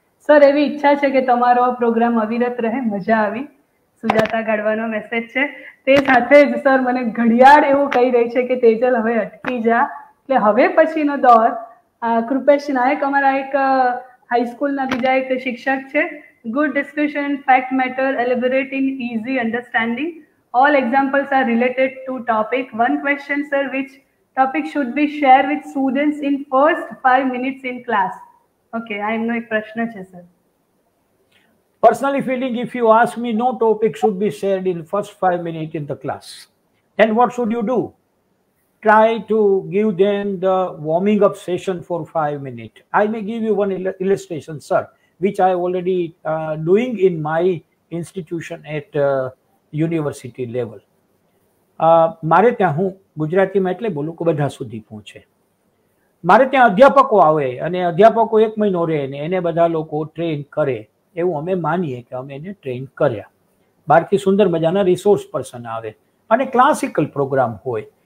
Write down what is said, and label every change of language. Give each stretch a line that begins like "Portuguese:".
Gujarati: Sir, એવી ઈચ્છા છે કે તમારો આ પ્રોગ્રામ અવિરત રહે, મજા આવી. સુજાતા ગાડવાનો મેસેજ છે. તે સાથે જ સર મને ઘડિયાળ એવું કહી રહી છે કે તેજલ હવે અટકી જા, એટલે હવે પછીનો દોર. કૃપેશ નાયક અમારા એક હાઈસ્કૂલના બીજા એક શિક્ષક છે.
English: Good discussion, fact matter, elaborate in easy understanding. All examples are related to topic. One question, sir, which topic should we share with students in first 5 minutes in class? Okay, I am no question, sir. personally feeling, if you ask me, no topic should be shared in first 5 minutes in the class. Then what should you do? Try to give them the warming up session for 5 minutes. I may give you one illustration, sir, which I already doing in my institution at university level.
Gujarati: મારે ત્યાં હું ગુજરાતીમાં એટલે બોલું કે બધા સુધી પહોંચે. મારે ત્યાં અધ્યાપકો આવે અને અધ્યાપકો એક મહિનો રહે ને એને બધા લોકો ટ્રેન કરે એવું અમે માનીએ કે અમે એને ટ્રેન કર્યા. બહારથી સુંદર મજાના રિસોર્સ પર્સન આવે અને ક્લાસિકલ પ્રોગ્રામ હોય.